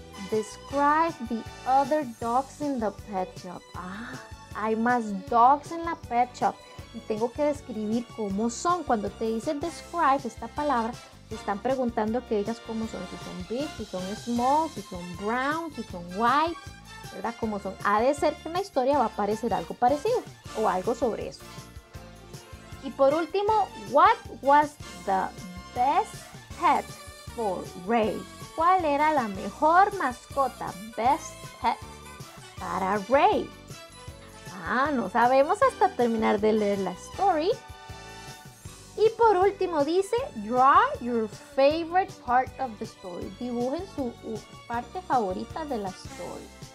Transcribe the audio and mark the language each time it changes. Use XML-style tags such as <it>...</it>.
<en>Describe the other dogs in the pet shop.</en> <es>Ah, hay más dogs en la pet shop. Y tengo que describir cómo son. Cuando te dice describe esta palabra, te están preguntando que digas cómo son. Si son big, si son small, si son brown, si son white. ¿Verdad? Cómo son. Ha de ser que en la historia va a aparecer algo parecido o algo sobre eso. Y por último,</es> <en>what was the best pet for Ray?</en> <es>¿Cuál era la mejor mascota, best pet, para Ray? Ah, no sabemos hasta terminar de leer la story. Y por último dice,</es> <en>draw your favorite part of the story.</en> <es>Dibujen su parte favorita de la story.</es>